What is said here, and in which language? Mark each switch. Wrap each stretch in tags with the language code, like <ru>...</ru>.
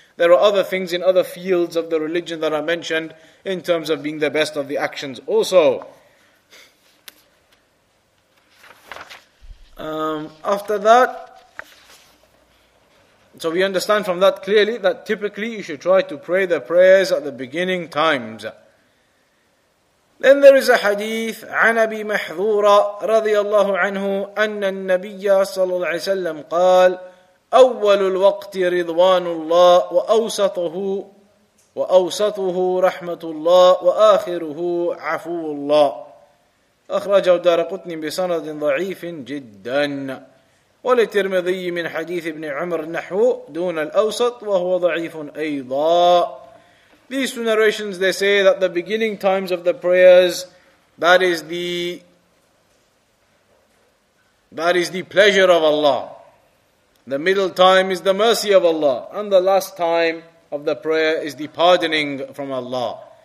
<en>There are other things in other fields of the religion that are mentioned in terms of being the best of the actions also. After that, so we understand from that clearly that typically you should try to pray the prayers at the beginning times. Then there is a hadith,</en> <ar>عن أبي محذورة رضي الله عنه أن النبي صلى الله عليه وسلم قال أول الوقت رضوان الله وأوسطه رحمة الله وآخره عفو الله. أخرجه الدارقطني بسند ضعيف جدا. وللترمذي من حديث ابن عمر نحو دون الأوسط وهو ضعيف أيضا.</ar> <en>These two narrations, they say that the beginning times of the prayers, that is the pleasure of Allah. The middle time is the mercy of Allah. And the last time of the prayer is the pardoning from Allah.</en>